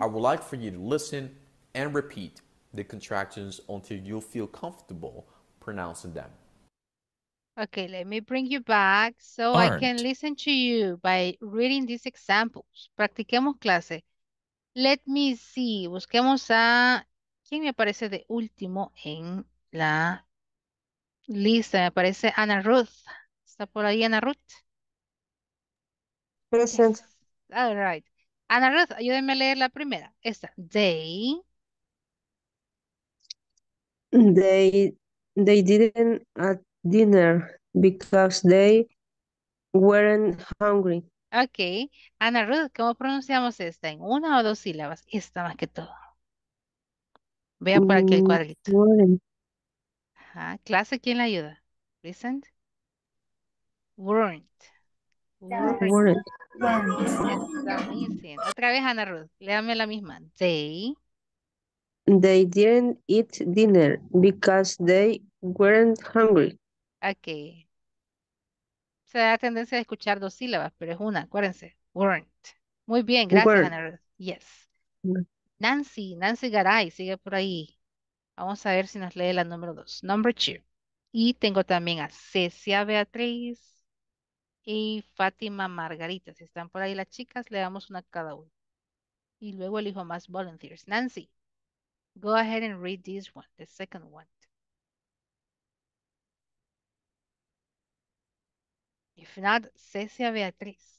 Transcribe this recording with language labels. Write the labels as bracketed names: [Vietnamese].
[English] I would like for you to listen and repeat the contractions until you feel comfortable pronouncing them. Okay, let me bring you back so aren't. I can listen to you by reading these examples. [Spanish] Practiquemos clase. [English] Let me see. [Spanish] Busquemos a... ¿Quién me aparece de último en la lista? Me aparece Ana Ruth. ¿Está por ahí Ana Ruth? [English] Present. Yes. All right. [Spanish] Ana Ruth, ayúdenme a leer la primera. Esta. They [English] didn't... dinner because they weren't hungry. [Spanish] Okay. Ana Ruth, ¿cómo pronunciamos esta? ¿En una o dos sílabas? Esta más que todo. Vean por aquí el cuadrito. Ajá. Clase, ¿quién la ayuda? [English] Present. Weren't. Weren't. [Spanish] Otra vez, Ana Ruth. Léame la misma. They. [English] They didn't eat dinner because they weren't hungry. Okay. [Spanish] Se da tendencia de escuchar dos sílabas, pero es una, acuérdense. Weren't. Muy bien, gracias, Ana. Yes. Nancy Garay, sigue por ahí. Vamos a ver si nos lee la número dos. [English] Number two. [Spanish] Y tengo también a Cecia Beatriz y Fátima Margarita. Si están por ahí las chicas, le damos una a cada una. Y luego elijo más volunteers. [English] Nancy, go ahead and read this one, the second one. If not, Cecia Beatriz.